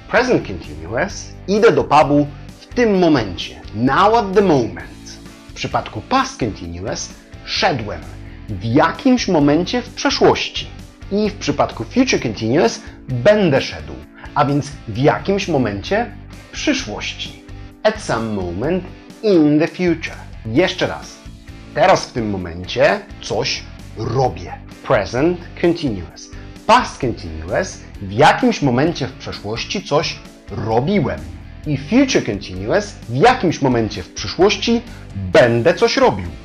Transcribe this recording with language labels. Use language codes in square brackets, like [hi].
[pl] Present continuous. Idę do pubu w tym momencie. [en] Now at the moment. [pl] W przypadku past continuous szedłem w jakimś momencie w przeszłości. I w przypadku future continuous będę szedł. A więc w jakimś momencie w przyszłości. [en] At some moment in the future. [pl] Jeszcze raz. Teraz w tym momencie coś robię. Present continuous. Past continuous. W jakimś momencie w przeszłości coś robiłem. I future continuous. W jakimś momencie w przyszłości będę coś robił.